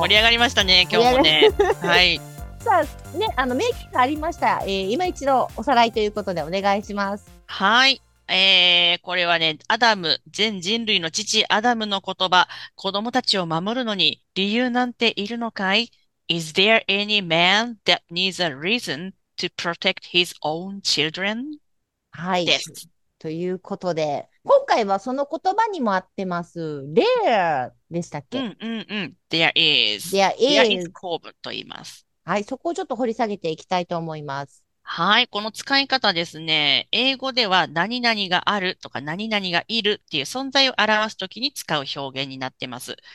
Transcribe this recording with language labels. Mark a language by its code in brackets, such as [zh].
[ja] 盛り上がりましたね、今日もね。はい、さあね、あのメイキングありました、今一度おさらいということでお願いします。はい、これはね、アダム、全人類の父アダムの言葉、子供たちを守るのに理由なんているのかい。 [en] Is there any man that needs a reasonTo protect his own children? [ja] はい、です。ということで、今回はその言葉にもあってます。 There でしたっけ？うんうんうん。 [en] There is. There is [ja] 構文と言います。はい、そこをちょっと掘り下げていきたいと思います。はい、この使い方ですね。英語では何々があるとか何々がいるっていう存在を表すときに使う表現になってます。